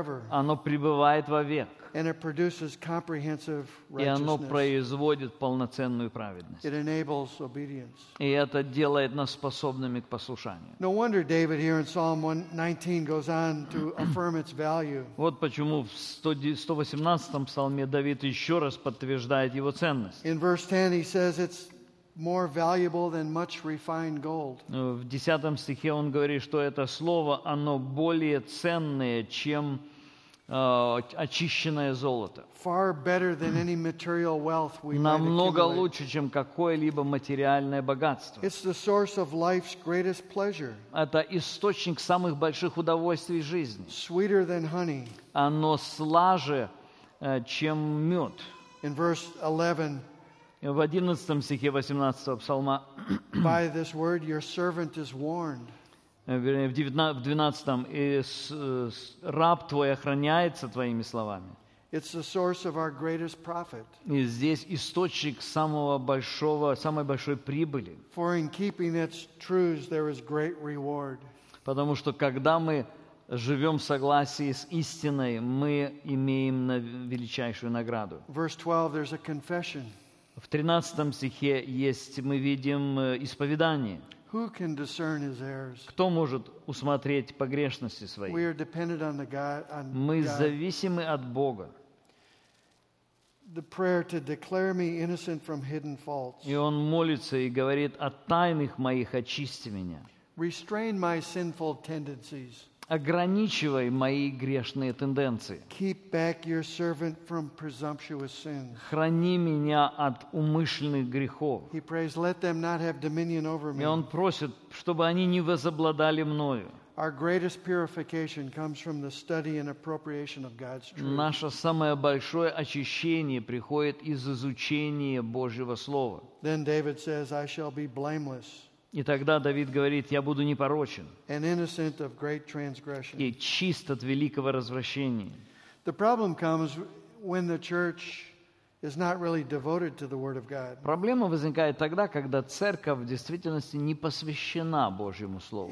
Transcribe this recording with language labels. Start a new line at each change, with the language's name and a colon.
Russian: Оно пребывает вовек. И оно производит полноценную праведность. И это делает нас способными к послушанию. Вот почему в 118-м псалме Давид еще раз подтверждает его ценность.
English: In verse 10 he says it's more valuable than much refined gold.
Russian: В 10 стихе он говорит, что это слово, оно более ценное, чем очищенное золото.
English: Far better than any material wealth we might accumulate.
Russian: Намного лучше, чем какое-либо материальное богатство.
English: It's the source of life's greatest pleasure.
Russian: Это источник самых больших удовольствий жизни.
English: Sweeter than honey.
Russian: Оно слаже, чем мед.
English: In verse 11,
Russian: в 11 стихе 18 псалма,
English: by this word your servant is warned.
Russian: В 12-м, раб твой охраняется твоими словами.
English: It's the source of our greatest profit.
Russian: И здесь источник самого большого, самой большой прибыли.
English: For in keeping its truths, there is great reward.
Russian: Потому что когда мы живем в согласии с истиной, мы имеем величайшую награду.
English: Verse 12, there's a confession.
Russian: В 13 стихе есть, мы видим исповедание.
English: Who can discern his errors?
Russian: Кто может усмотреть погрешности свои?
English: We are dependent on the God, on
Russian: мы зависимы от Бога.
English: The prayer to declare me innocent from hidden faults.
Russian: И он молится и говорит: «От тайных моих очисти меня».
English: Restrain my sinful tendencies.
Russian: Ограничивай мои грешные тенденции.
English: Keep back your servant from presumptuous sins.
Russian: Храни меня от умышленных грехов.
English: He prays, let them not have dominion over me.
Russian: И он просит, чтобы они не возобладали мною.
English: Our greatest purification comes from the study and appropriation of God's truth.
Russian: Наше самое большое очищение приходит из изучения Божьего слова.
English: Then David says, I shall be blameless.
Russian: И тогда Давид говорит: «Я буду непорочен и чист от великого развращения». Проблема возникает тогда, когда церковь в действительности не посвящена Божьему Слову.